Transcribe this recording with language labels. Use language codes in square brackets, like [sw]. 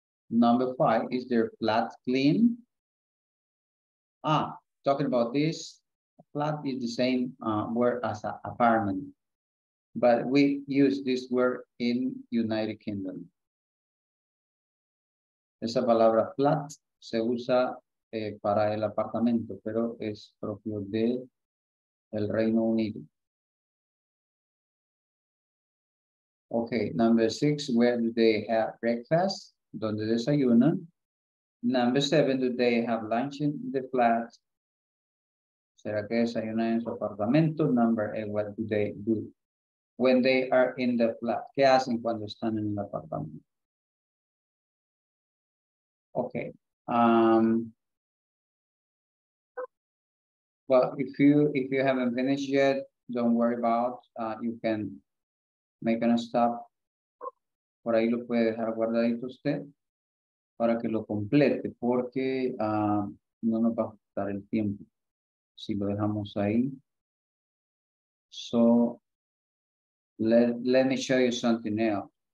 [en] Number five, is their flat clean? Talking about this, flat is the same word as an apartment. but we use this word in United Kingdom. [es] Esa palabra flat se usa para el apartamento, pero es propio de el Reino Unido. [en] Okay, number six, where do they have breakfast? [es] ¿Dónde desayunan? [en] Number seven, do they have lunch in the flat? [es] ¿Será que desayunan en su apartamento? [en] Number eight, what do they do when they are in the flat? [es] ¿Qué hacen cuando están en el apartamento? [en] Okay. Well, if you haven't finished yet, don't worry about. You can make a stop. [es] Por ahí lo puede dejar guardadito usted para que lo complete, porque no nos va a quitar el tiempo si lo dejamos ahí. [en] So let me show you something else.